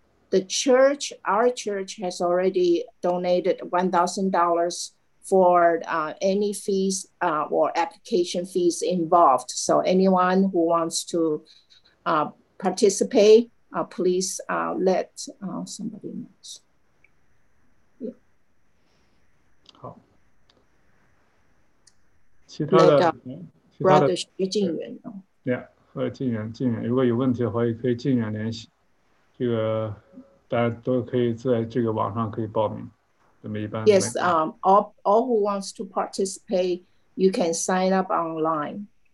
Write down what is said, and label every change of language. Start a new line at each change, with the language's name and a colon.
English: The church, our church, has already donated $1,000 for any fees or application fees involved. So anyone who wants to participate, please let somebody know. Yeah.
Chinese: 好。其他的，Brother徐静远。对，和静远，静远，如果有问题的话，也可以静远联系。这个。大家都可以在这个网上可以报名，怎么一般？Yes,
English: all who wants to participate, you can sign up online.